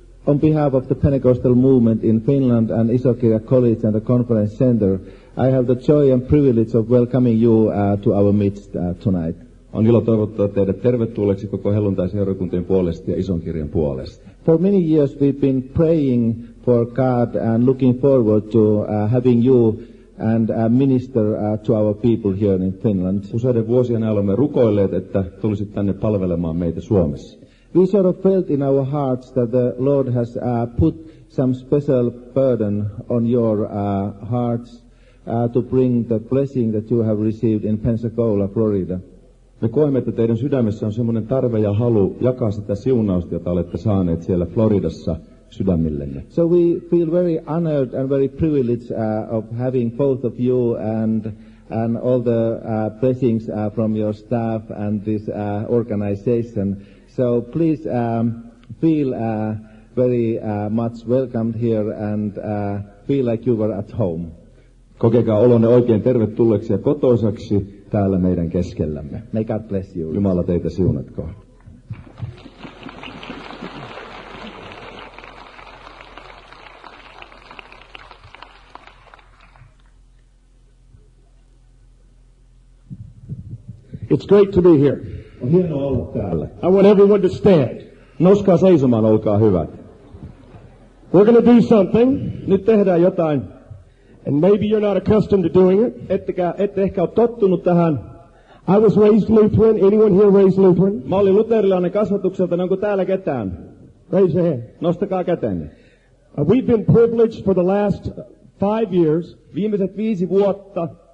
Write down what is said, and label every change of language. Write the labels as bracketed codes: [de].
[en] On behalf of the Pentecostal movement in Finland and Isokirja College and the Conference Center, I have the joy and privilege of welcoming you to our midst tonight. [fi] On ilo toivottaa teidät tervetulleeksi koko helluntaiseurakuntien puolesta ja Isonkirjan puolesta. [en] For many years we've been praying for God and looking forward to having you and minister to our people here in Finland. [fi] Useiden vuosien ajan olemme rukoilleet, että tulisit tänne palvelemaan meitä Suomessa. [en] We sort of felt in our hearts that the Lord has put some special burden on your hearts to bring the blessing that you have received in Pensacola, Florida. [fi] Me koemme, että teidän sydämessä on semmoinen tarve ja halu jakaa sitä siunausta, jota olette saaneet siellä Floridassa sydämillenne. [en] So we feel very honored and very privileged of having both of you and all the blessings from your staff and this organization. So please feel very much welcomed here and feel like you were at home. [fi] Kokekaa olonne oikein tervetulleeksi ja kotoisaksi täällä meidän keskellämme. [en] May God bless you. [fi] Jumala teitä siunatko. [en] It's great to be here. [fi] On hienoa olla täällä. [en] I want everyone to stand. [fi] Nouskaa seisomaan, olkaa hyvät. [en] We're going to do something. [fi] Nyt tehdään jotain. [en] And maybe you're not accustomed to doing it. [fi] Ette ehkä ole tottunut tähän. [en] I was raised Lutheran. Anyone here raised Lutheran? [fi] Mä olin luterilainen kasvatukselta. Onko täällä ketään? [en] Raise your hand. [fi] Nostakaa käteen. [en] We've been privileged for the last 5 years. [fi] Viimeiset 5 vuotta.